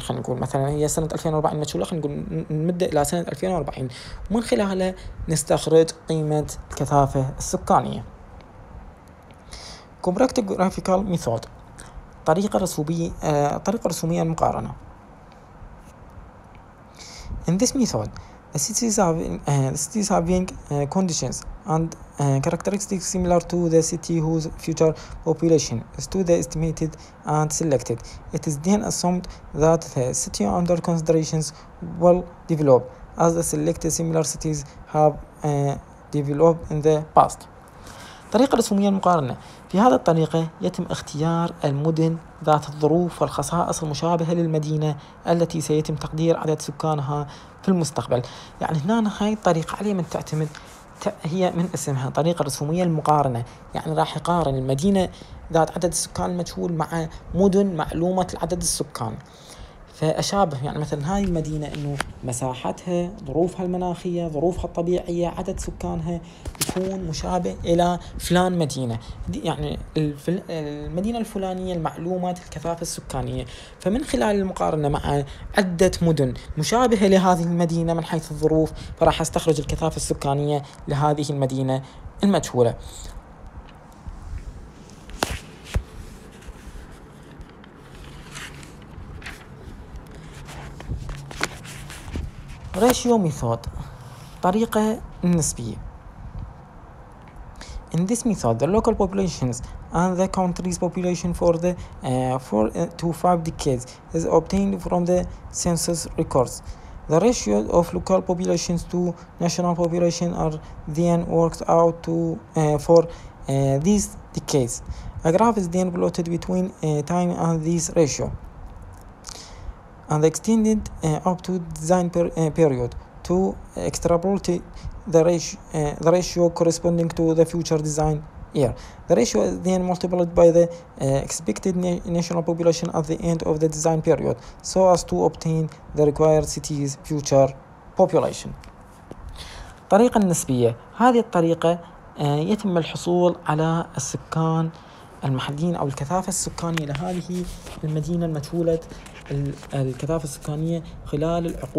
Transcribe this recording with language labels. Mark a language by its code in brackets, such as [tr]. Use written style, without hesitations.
[ar] خلينا نقول مثلا هي سنة 2040 مجهولة، خلينا نقول نمدها إلى سنة 2040 ومن خلالها نستخرج قيمة الكثافة السكانية. [en] Comparative Graphical Method، [ar] طريقة رسومية المقارنة. [en] In this method the cities having conditions and characteristics similar to the city whose future population is to the estimated and selected. It is then assumed that the city under considerations will develop as the selected similar cities have developed in the past. [ar] طريقة رسومية المقارنة. في هذه الطريقة يتم اختيار المدن ذات الظروف والخصائص المشابهة للمدينة التي سيتم تقدير عدد سكانها في المستقبل. يعني هنا هاي الطريقة عليها من تعتمد، هي من اسمها طريقة رسومية المقارنة. يعني راح يقارن المدينة ذات عدد السكان المجهول مع مدن معلومة العدد السكان، فأشابه يعني مثلا هاي المدينة انه مساحتها، ظروفها المناخية، ظروفها الطبيعية، عدد سكانها يكون مشابه الى فلان مدينة، يعني المدينة الفلانية المعلومة الكثافة السكانية. فمن خلال المقارنة مع عدة مدن مشابهة لهذه المدينة من حيث الظروف، فراح استخرج الكثافة السكانية لهذه المدينة المجهولة. [en] ratio method، [ar] طريقة نسبية. [en] In this method the local populations and the country's population for the 4 to 5 decades is obtained from the census records. The ratio of local populations to national population are then worked out to for these decades. A graph is then plotted between time and this ratio and extended up to design period to extrapolate the ratio corresponding to the future design year. The ratio is then multiplied by the expected national population at the end of the design period so as to obtain the required city's future population. [ar] طريقة النسبية. هذه الطريقة يتم الحصول على السكان المحليين أو الكثافة السكانية لهذه المدينة المجهولة الكثافة السكانية خلال العقود.